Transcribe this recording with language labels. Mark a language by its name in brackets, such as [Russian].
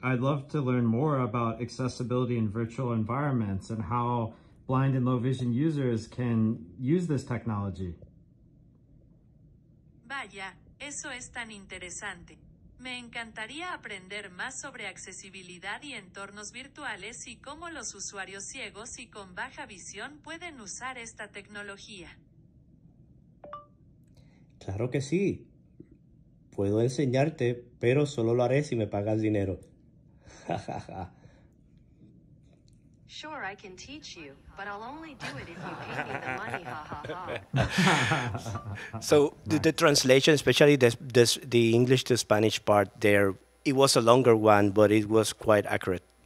[English] I'd love to learn more about accessibility in virtual environments and how blind and low vision users can use this technology. [Spanish] Vaya, eso es tan interesante. Me encantaría aprender más sobre accesibilidad y entornos virtuales y cómo los usuarios ciegos y con baja visión pueden usar esta tecnología. Claro que sí. Puedo enseñarte, pero solo lo haré si me pagas dinero. [English] Sure, I can teach you, but I'll only do it if you pay me the money. So the translation, especially the English to Spanish part there, it was a longer one, but it was quite accurate.